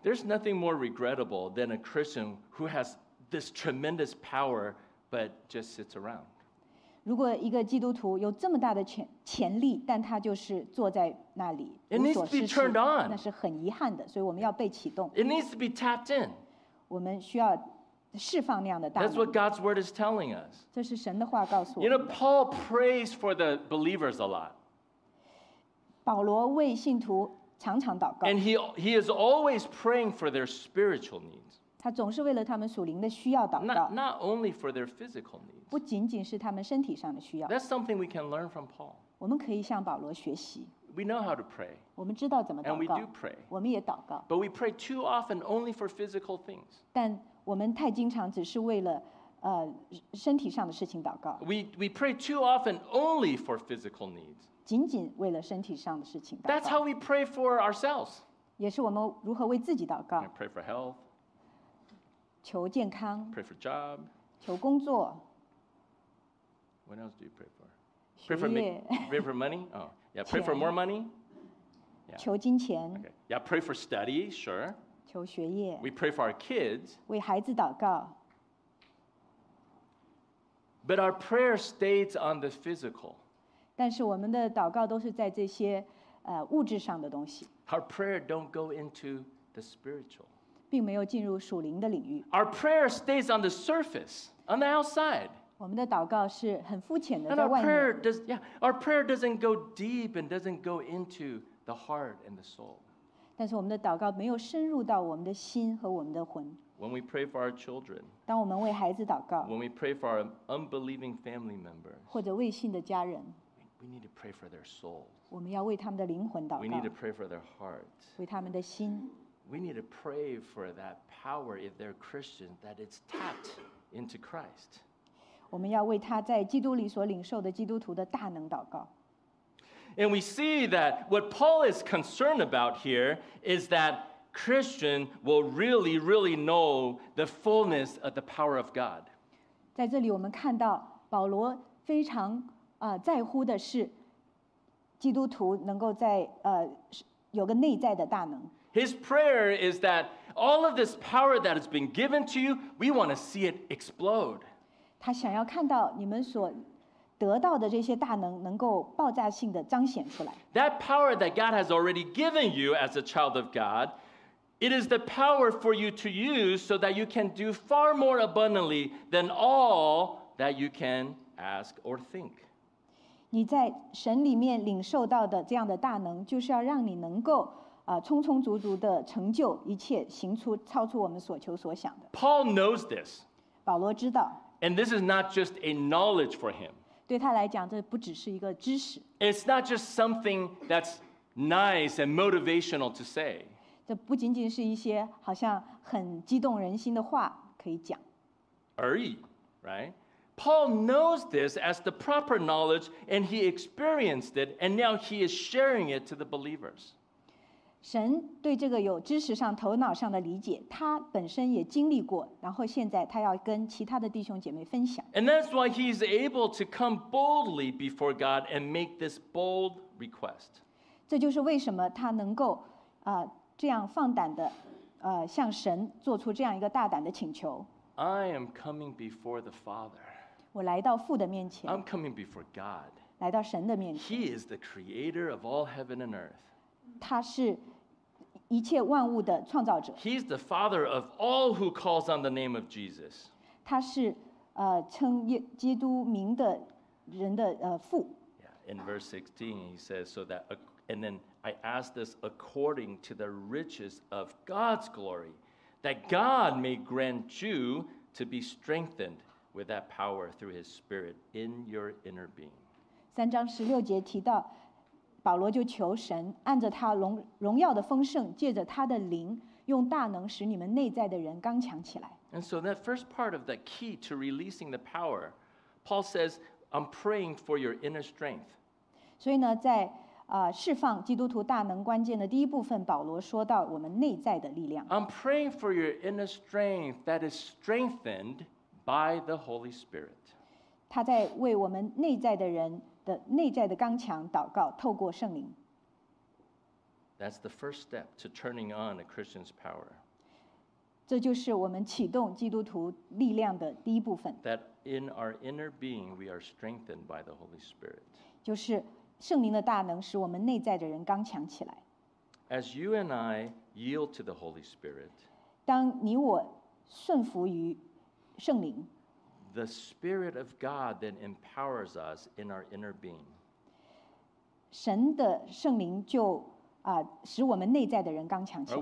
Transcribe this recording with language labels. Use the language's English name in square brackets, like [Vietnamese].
[English] There's nothing more regrettable than a Christian who has this tremendous power but just sits around. [Chinese] 如果一个基督徒有这么大的潜力，但他就是坐在那里无所事事，那是很遗憾的。所以我们要被启动。 [English] It needs to be tapped in. [Chinese] 我们需要释放那样的大能。 [English] That's what God's word is telling us. [Chinese] 这是神的话告诉我们。 [English] You know, Paul prays for the believers a lot. [Chinese] 保罗为信徒常常祷告。 [English] And he is always praying for their spiritual needs. [Chinese] 他总是为了他们属灵的需要祷告。 [English] Not only for their physical needs. [Chinese] 不仅仅是他们身体上的需要。 [English] That's something we can learn from Paul. [Chinese] 我们可以向保罗学习。 [English] We know how to pray. [Chinese] 我们知道怎么祷告。 [English] And we do pray. [Chinese] 我们也祷告。 [English] But we pray too often only for physical things. [Chinese] 但我们太经常只是为了身体上的事情祷告。 [English] We pray too often only for physical needs. [Chinese] 仅仅为了身体上的事情祷告。 [English] That's how we pray for ourselves. [Chinese] 也是我们如何为自己祷告。 [English] We pray for health. [Chinese] 求健康 [English] pray for job. [Chinese] 求工作 [English] What else do you pray for? Pray for money? Oh, yeah, pray for more money? Yeah. [Chinese] 求金钱 [English] okay. Yeah, pray for study, sure. [Chinese] 求学业 [English] We pray for our kids. [Chinese] 为孩子祷告 [English] But our prayer stays on the physical. [Chinese] 但是我们的祷告都是在这些物质上的东西 [English] Our prayer don't go into the spiritual. [Chinese] 并没有进入属灵的领域。 [English] Our prayer stays on the surface, on the outside. [Chinese] 我们的祷告是很肤浅的，在外面。 [English] Our prayer doesn't go deep and doesn't go into the heart and the soul. [Chinese] 但是我们的祷告没有深入到我们的心和我们的魂。 [English] When we pray for our children, [Chinese] 当我们为孩子祷告。 [English] When we pray for our unbelieving family members, [Chinese] 或者未信的家人。 [English] We need to pray for their souls. [Chinese] 我们要为他们的灵魂祷告。 [English] We need to pray for their heart. [Chinese] 为他们的心。 [English] We need to pray for that power if they're Christian that it's tapped into Christ. [Chinese] 我们要为他在基督里所领受的基督徒的大能祷告。 [English] And we see that what Paul is concerned about here is that Christian will really, really know the fullness of the power of God. [Chinese] 在这里我们看到保罗非常在乎的是基督徒能够在有个内在的大能。 [English] His prayer is that all of this power that has been given to you, we want to see it explode. [Chinese] 他想要看到你们所得到的这些大能能够爆炸性的彰显出来。 [English] That power that God has already given you as a child of God, it is the power for you to use so that you can do far more abundantly than all that you can ask or think. [Chinese] 你在神里面领受到的这样的大能就是要让你能够充充足足的成就一切行出超出我们所求所想的 [English] Paul knows this [Chinese] 保罗知道 [English] And this is not just a knowledge for him [Chinese] 对他来讲，这不只是一个知识。 [English] It's not just something that's nice and motivational to say. [Chinese] 这不仅仅是一些好像很激动人心的话可以讲。而已 ， [English] right? Paul knows this as the proper knowledge, and he experienced it, and now he is sharing it to the believers. [Chinese] 神对这个有知识上、头脑上的理解，他本身也经历过，然后现在他要跟其他的弟兄姐妹分享。 [English] And that's why he is able to come boldly before God and make this bold request. [Chinese] 这就是为什么他能够这样放胆的向神做出这样一个大胆的请求。 [English] I am coming before the Father. [Chinese] 我来到父的面前。 [English] I'm coming before God. [Chinese] 来到神的面前。 [English] He is the creator of all heaven and earth. [Chinese] 他是一切万物的创造者。 [English] He's the Father of all who calls on the name of Jesus. [Chinese] 他是称基督名的人的父。 [English] In verse 16, he says, so that, and then I ask this according to the riches of God's glory. That God may grant you to be strengthened with that power through His Spirit in your inner being. [Chinese] 三章十六节提到，保罗就求神按着他荣耀的丰盛，借着他的灵，用大能使你们内在的人刚强起来。 [English] And so that first part of the key to releasing the power, Paul says, "I'm praying for your inner strength." [Chinese] 所以呢，在释放基督徒大能关键的第一部分，保罗说到我们内在的力量。 [English] I'm praying for your inner strength that is strengthened by the Holy Spirit. [Chinese] 他在为我们内在的人的内在的刚强祷告，透过圣灵。 [English] That's the first step to turning on a Christian's power. [Chinese] 这就是我们启动基督徒力量的第一部分。 [English] That in our inner being we are strengthened by the Holy Spirit. [Chinese] 就是。圣灵的大能使我们内在的人刚强起来。 [English] As you and I yield to the Holy Spirit, [Chinese] 当你我顺服于圣灵， [English] the Spirit of God then empowers us in our inner being. [Chinese] 神的圣灵就使我们内在的人刚强起来。